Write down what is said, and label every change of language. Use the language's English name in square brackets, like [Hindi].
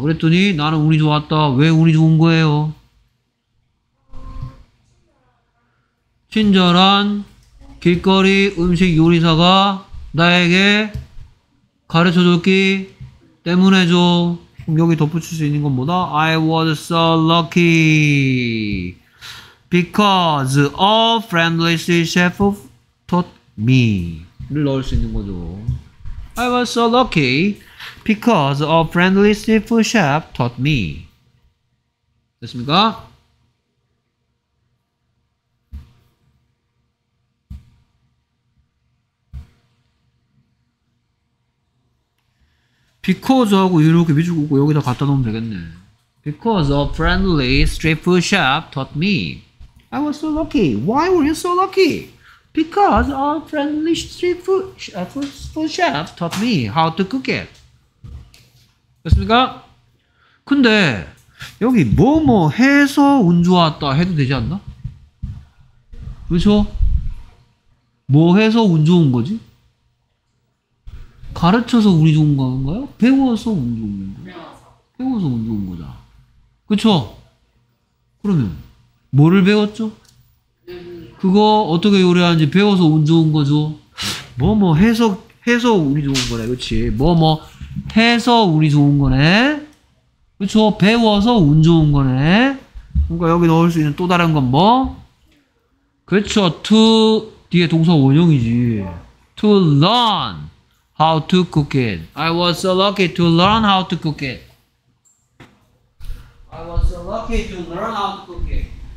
[Korean] 그랬더니 나는 운이 좋았다. 왜 운이 좋은 거예요? 친절한 길거리 음식 요리사가 나에게 가르쳐 줬기 때문에죠. 그럼 여기 덧붙일 수 있는 건 뭐다? [English] I was so lucky because a friendly chef taught me. [Korean] 를 넣을 수 있는 거죠. [English] I was so lucky because a friendly chef taught me. [Korean] 됐습니까? 비코즈하고 이렇게 비추고 있고 여기다 갖다 놓으면 되겠네. [English] Because a friendly street food chef taught me. I was so lucky. Why were you so lucky? Because a friendly street food chef taught me how to cook it. [Korean] 됐습니까? 근데 여기 뭐뭐 해서 운 좋았다 해도 되지 않나? 그렇죠? 뭐 해서 운 좋은 거지? 가르쳐서 운이 좋은 건가요? 배워서 운 좋은 건가요? 배워서 운 좋은 거다. 그쵸? 그러면 뭐를 배웠죠? 그거 어떻게 요리하는지 배워서 운 좋은 거죠. 뭐뭐 해서 운이 좋은 거네. 그치? 뭐뭐 해서 운이 좋은 거네. 그쵸? 배워서 운 좋은 거네. 그러니까 여기 넣을 수 있는 또 다른 건 뭐? 그쵸? to 뒤에 동사 원형이지. [English] to learn how to cook it. I was so lucky to learn how to cook it. I was so lucky to learn how to cook it.